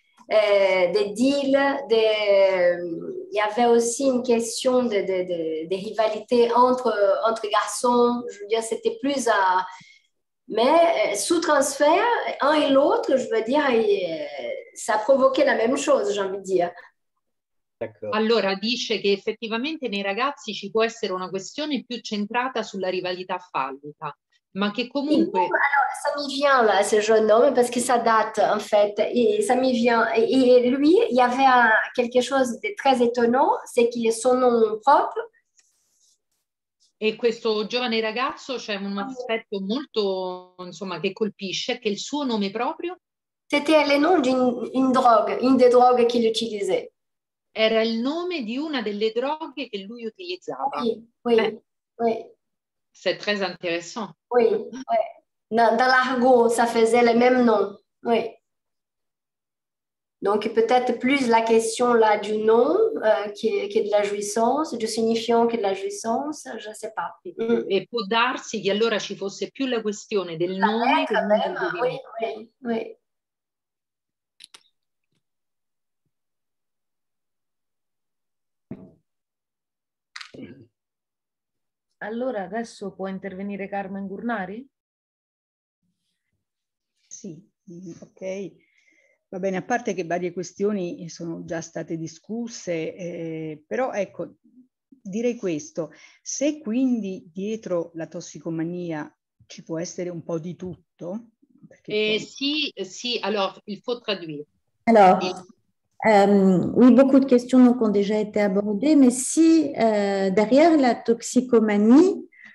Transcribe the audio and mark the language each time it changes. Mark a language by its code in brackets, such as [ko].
[fr] Des deals, il y avait aussi une question de rivalité entre garçons, je veux dire, c'était plus à... Mais sous transfert, un et l'autre, je veux dire, ça provoquait la même chose, j'ai envie de dire. D'accord. [it] Allora, dice che effettivamente nei ragazzi ci può essere una questione più centrata sulla rivalità fallica. Ma che comunque... [fr] Alors, ça m'y vient là, ce jeune homme, parce que ça date, en fait, et ça m'y vient. Et lui, il y avait quelque chose de très étonnant, c'est qu'il est son nom propre. [it] E questo giovane ragazzo, c'è un aspetto molto, insomma, che colpisce, che il suo nome proprio... C'était le nom d'une drogue, une des drogues qu'il utilisait. Era il nome di una delle droghe che lui utilizzava. [fr] Oui. C'est très intéressant. Oui. Dans l'argot, ça faisait le même nom. Oui. Donc peut-être plus la question là du nom qui est de la jouissance, du signifiant qui est de la jouissance, je ne sais pas. [it] Et può darsi che allora ci fosse più la questione del la nome. [fr] Quand même. Oui. [it] Allora, adesso può intervenire Carmen Gurnari? Sì, ok. Va bene, a parte che varie questioni sono già state discusse, però ecco, direi questo. Se quindi dietro la tossicomania ci può essere un po' di tutto? Sì, allora, [fr] il faut traduire. [it] Allora... [fr] oui, beaucoup de questions donc, ont déjà été abordées, mais si derrière la toxicomanie...